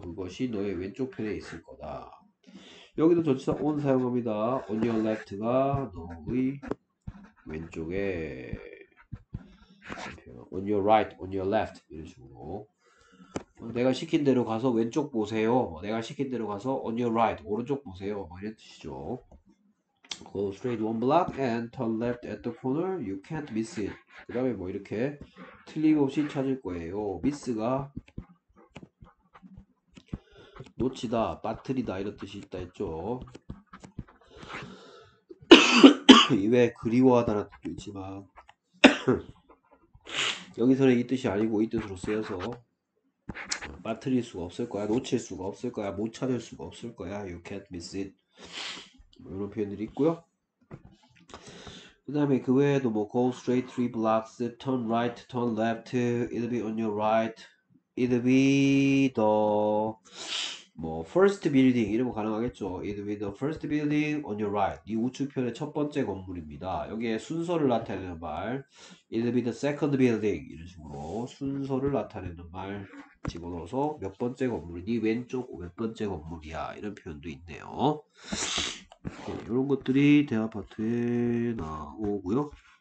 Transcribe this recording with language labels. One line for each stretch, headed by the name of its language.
Korean: 그것이 너의 왼쪽 편에 있을 거다. 여기도 전치사 on 사용합니다.
English: On your left
Korean: 가 너의 왼쪽에.
English: On your right, on your left
Korean: 이런 식으로. 내가 시킨 대로 가서 왼쪽 보세요. 내가 시킨 대로 가서
English: on your right,
Korean: 오른쪽 보세요. 뭐 이런 뜻이죠.
English: Go straight one block and turn left at the corner. You can't miss it.
Korean: 그 다음에 뭐 이렇게 틀림없이 찾을 거예요. Miss가 놓치다, 빠뜨리다 이런 뜻이 있다 했죠. 왜 그리워하다는 뜻도 있지만 여기서는 이 뜻이 아니고 이 뜻으로 쓰여서 빠뜨릴 수가 없을 거야, 놓칠 수가 없을 거야, 못 찾을 수가 없을 거야.
English: You can't miss it.
Korean: 이런 표현들이 있고요. 그다음에 그 외에도 뭐
English: go straight three blocks, turn right, turn left, it'll be on your right, it'll be the 뭐 first building
Korean: 이런 거 가능하겠죠.
English: It'll be the first building on your right.
Korean: 이 우측편의 첫 번째 건물입니다. 여기에 순서를 나타내는 말,
English: it'll be the second building
Korean: 이런 식으로 순서를 나타내는 말 집어넣어서 몇 번째 건물이 네 왼쪽 몇 번째 건물이야 이런 표현도 있네요. 이런 것들이 대화 파트에 나오고요.